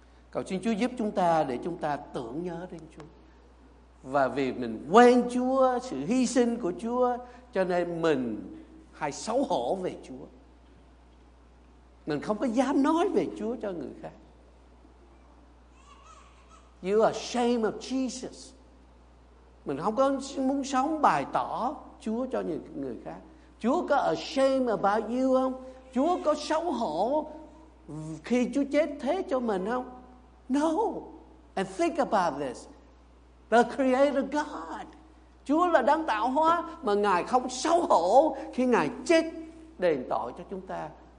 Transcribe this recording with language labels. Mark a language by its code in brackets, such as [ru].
[vi] Cầu xin Chúa giúp chúng ta để chúng ta tưởng nhớ đến Chúa. Và vì mình quên Chúa, sự hy sinh của Chúa, cho nên mình hay xấu hổ về Chúa. Mình không có dám nói về Chúa cho người khác. [en] You are ashamed of Jesus. [vi] Mình không có muốn sống bày tỏ Chúa cho người khác. Chúa có [en] ashamed about you [vi] không? Chúa có xấu hổ khi Chúa chết thế cho mình không? [en] No. And think about this. The Creator God. [vi] Chúa là đấng tạo hóa mà Ngài không xấu hổ khi Ngài chết đền tội cho chúng ta.